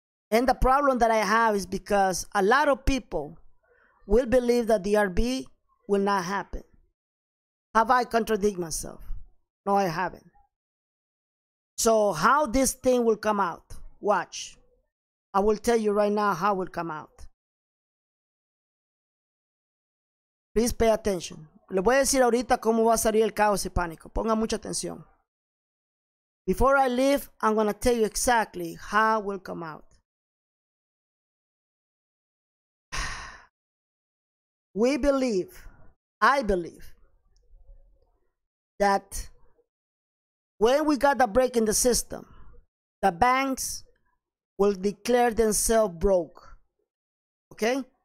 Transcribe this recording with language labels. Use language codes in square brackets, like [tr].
[en] And the problem that I have is because a lot of people will believe that DRB will not happen. Have I contradicted myself? No, I haven't. So how this thing will come out? Watch. I will tell you right now how it will come out. Please pay attention. [es] Le voy a decir ahorita cómo va a salir el caos y pánico. Ponga mucha atención. [en] Before I leave, I'm going to tell you exactly how it will come out. I believe, that when we got the break in the system, the banks will declare themselves broke, okay?